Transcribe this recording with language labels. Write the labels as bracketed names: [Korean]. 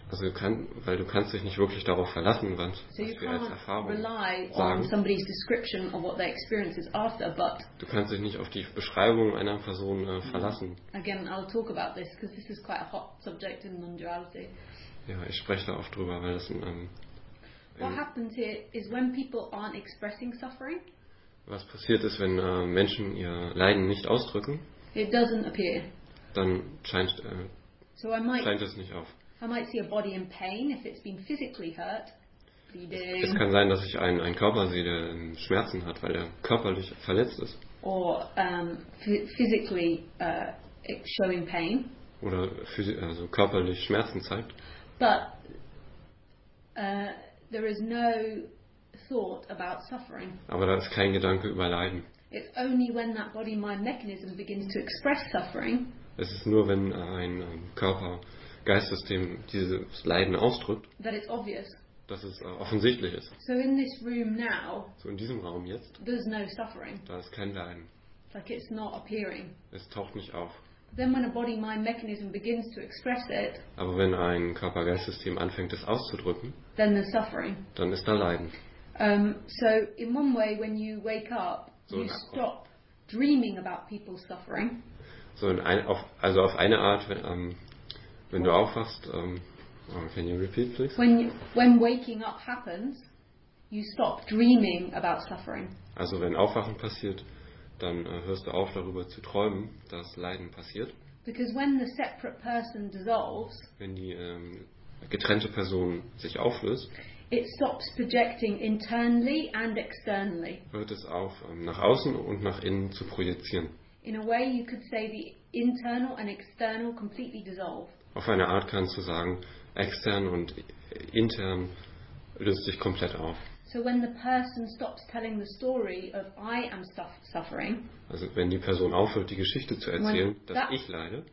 [German] Also du kannst dich nicht wirklich darauf verlassen, was wir als Erfahrung sagen. [English] So you can't rely on somebody's description of what their experience is after, but [German] du kannst dich nicht auf die Beschreibung einer Person verlassen. [English] Again, I'll talk about this because this is quite a hot subject in non-duality. [German] Ja, ich spreche da oft drüber, weil das ein [English] What happens here is when people aren't expressing suffering. [German] Was passiert ist, wenn Menschen ihr Leiden nicht ausdrücken? [English] It doesn't appear. [German] Dann scheint es nicht auf. [English] I might see a body in pain if it's been physically hurt. [German] Es kann sein, dass ich einen Körper sehe, der Schmerzen hat, weil er körperlich verletzt ist. [English] Or physically showing pain. [German] Oder also körperlich Schmerzen zeigt. [English] But there is no thought about suffering. [German] Aber da ist kein Gedanke über Leiden. [English] It's only when that body-mind mechanism begins to express suffering. [German] Es ist nur, wenn ein Körper-Geist-System dieses Leiden ausdrückt. [English] That it's obvious. [German] Dass es offensichtlich ist. [English] So in this room now. [German] So in diesem Raum jetzt. [English] There's no suffering. [German] Da ist kein Leiden. [English] Like it's not appearing. [German] Es taucht nicht auf. [English] Then when a body-mind mechanism begins to express it. [German] Aber wenn ein Körper-Geist-System anfängt, es auszudrücken. [English] Then there's suffering. [German] Dann ist da Leiden. [English] So in one way, when you wake up, so you stop dreaming about people suffering. [German] So auf eine Art, wenn du aufwachst. [English] Can you repeat, please? When waking up happens, you stop dreaming about suffering. [German] Also wenn Aufwachen passiert, dann hörst du auf, darüber zu träumen, dass Leiden passiert. [English] Because when the separate person dissolves, [German] wenn die getrennte Person sich auflöst, [English] it stops projecting internally and externally. [German] Hört es auf, nach außen und nach innen zu projizieren. [English] In a way, you could say the internal and external completely dissolve. [German] Auf eine Art kannst du sagen, extern und intern löst sich komplett auf. [English] So when the person stops telling the story of I am suffering. [German] Also wenn die Person aufhört, die Geschichte zu erzählen, dass ich leide.